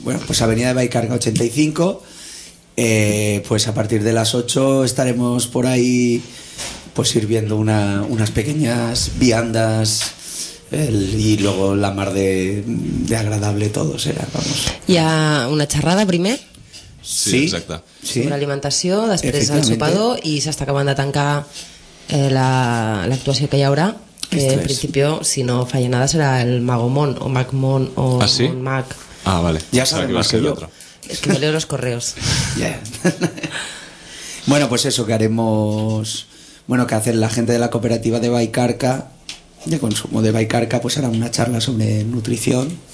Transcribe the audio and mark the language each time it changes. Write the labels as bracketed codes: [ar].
[es] Bueno, pues avenida de Vallcarca 85, pues a partir de las 8 estaremos por ahí pues sirviendo unas pequeñas viandas. Y luego la mar de agradable todo será, vamos. [ca] ¿Y a una charrada primer? Sí, exacte. Sí. Sobre alimentació, després el sopador, i s'està acabant de tancar l'actuació que hi haurà. [es] que en principio, si no falla nada, será el Magomón o Magmon o ¿ah, sí? Mac. Ah, vale. Ya sabes más que el otro. Es que me leo los correos. Ya. Bueno, pues eso, que haremos. Bueno, que hacer la gente de la cooperativa de Baicarca, de consumo de Baicarca, pues hará una charla sobre nutrición.